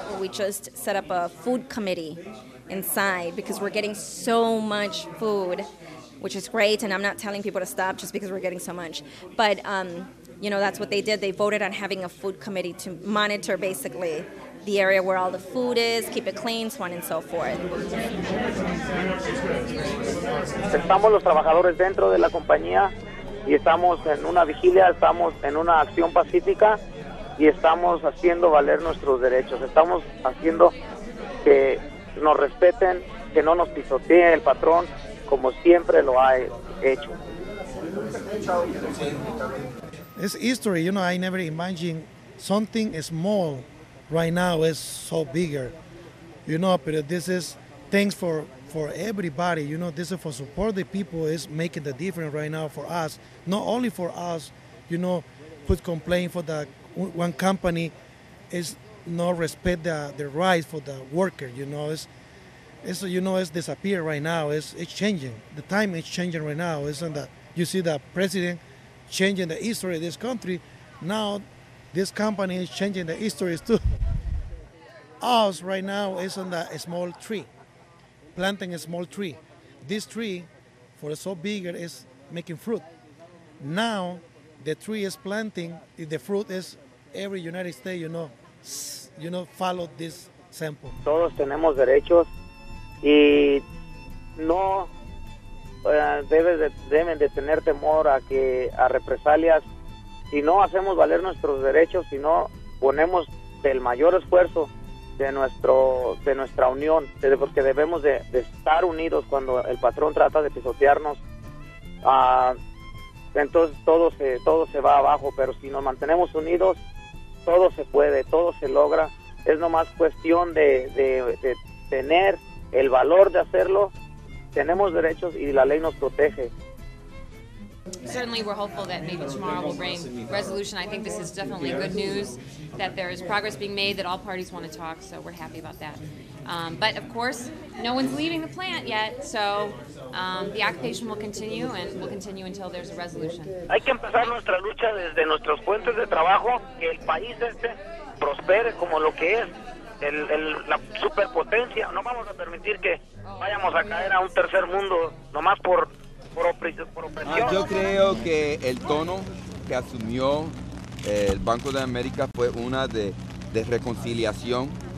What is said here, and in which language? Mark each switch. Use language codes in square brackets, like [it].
[en] just set up a food committee inside because we're getting so much food, which is great, and I'm not telling people to stop just because we're getting so much. But, you know, that's what they did. They voted on having a food committee to monitor, basically, the area where all the food is, keep it clean, so on and so forth. [es] Estamos los trabajadores dentro de la compañía y estamos en una vigilia, estamos en una acción pacífica y estamos haciendo valer nuestros derechos. Estamos haciendo que nos respeten, que no nos pisotee el patrón, como siempre lo ha hecho. [en] It's history, you know, I never imagined something small right now is so bigger, you know, but this is thanks for everybody, you know, this is for support the people is making the difference right now for us, not only for us, you know, who complain for the one company is not respect the rights for the worker, you know, it's disappear right now, it's changing, the time is changing right now, isn't that, you see the president changing the history of this country, now this company is changing the history too. Us right now is on a small tree, planting a small tree. This tree, for so bigger, is making fruit. Now, the tree is planting, the fruit is every United States, you know, follow this sample. [es] Todos tenemos derechos y no deben de tener temor a represalias. Si no hacemos valer nuestros derechos, si no ponemos el mayor esfuerzo de nuestra unión, porque debemos de estar unidos cuando el patrón trata de pisotearnos, entonces todo se va abajo, pero si nos mantenemos unidos, todo se puede, todo se logra. Es nomás cuestión de tener el valor de hacerlo. Tenemos derechos y la ley nos protege. [en] Certainly we're hopeful that maybe tomorrow will bring resolution. I think this is definitely good news that there is progress being made, that all parties want to talk, so we're happy about that. But of course, no one's leaving the plant yet, so the occupation will continue and will continue until there's a resolution. [es] Hay que empezar nuestra lucha desde nuestras fuentes de trabajo, que el país este prospere como lo que es, la superpotencia. No vamos a permitir que vayamos a caer a un tercer mundo nomás por opresión. Yo creo que el tono que asumió el Banco de América fue una de reconciliación.